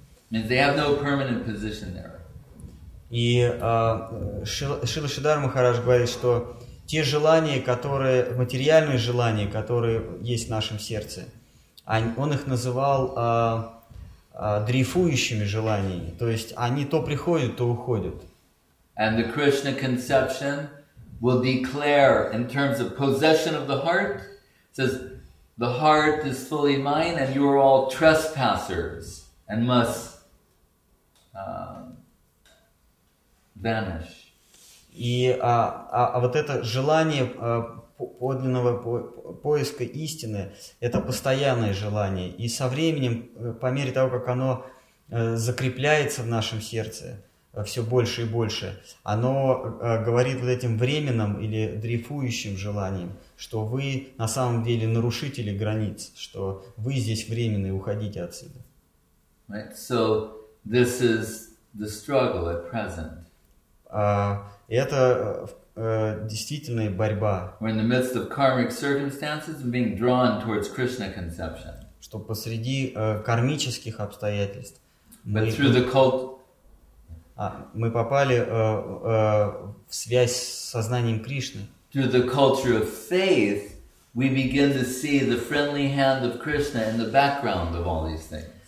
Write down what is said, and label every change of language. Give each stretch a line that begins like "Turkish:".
English: I mean, they have no permanent position there.
Russian: И Шрила Шридхар Махарадж говорит, что те желания, которые, материальные желания, которые есть в нашем сердце, он их называл дрейфующими желаниями, то есть они то приходят, то уходят.
English: And the Krishna conception will declare in terms of possession of the heart, says, the heart is fully mine and you are all trespassers and must vanish.
Russian: И вот это желание подлинного поиска истины, это постоянное желание. И со временем, по мере того, как оно закрепляется в нашем сердце все больше и больше, оно говорит вот этим временным или дрейфующим желанием, что вы на самом деле нарушители границ, что вы здесь временные, уходите отсюда.
English: Right. So this is the struggle at present.
Russian: Это действительно борьба.
English: We're in the midst of karmic circumstances and being drawn towards Krishna conception.
Russian: Что посреди кармических обстоятельств.
English: But through the cult.
Russian: Мы попали в связь с сознанием Кришны.
English: Through the culture of faith, we begin to see the friendly hand of Krishna in the background of all these things.